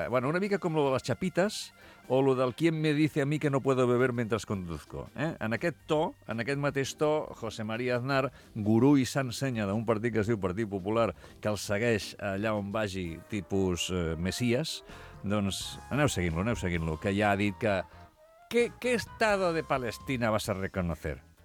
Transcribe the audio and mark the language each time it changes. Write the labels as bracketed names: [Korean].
[Catalan] Bueno, una mica com lo de les chapitas o lo del [Spanish] quien me dice a mí que no puedo beber mientras conduzco. [Catalan] En aquest to, en aquest mateix to, José María Aznar, gurú i sant senya d'un partit que es diu Partit Popular, que el segueix allà on vagi, tipus messias, doncs aneu seguint-lo, que ja ha dit que... [Spanish] ¿Qué estado de Palestina vas a reconocer?